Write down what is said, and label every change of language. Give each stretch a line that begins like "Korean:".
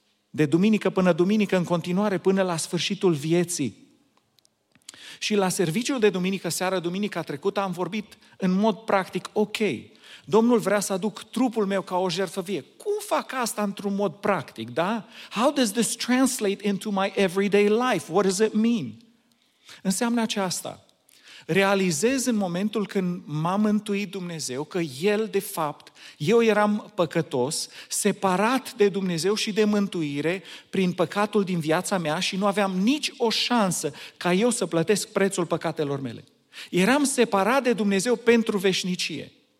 Romanian: De duminică până duminică, în continuare, până la sfârșitul vieții. Și la serviciul de duminică seară, duminica trecută, am vorbit în mod practic, ok, Domnul vrea să aduc trupul meu ca o jertfă vie. Cum fac asta într-un mod practic, da?
English: How does this translate into my everyday life? What does it mean?
Romanian: Înseamnă aceasta. Realizez în momentul când m-a mântuit Dumnezeu că El, de fapt, eu eram păcătos, separat de Dumnezeu și de mântuire prin păcatul din viața mea și nu aveam nici o șansă ca eu să plătesc prețul păcatelor mele. Eram separat de Dumnezeu pentru veșnicie.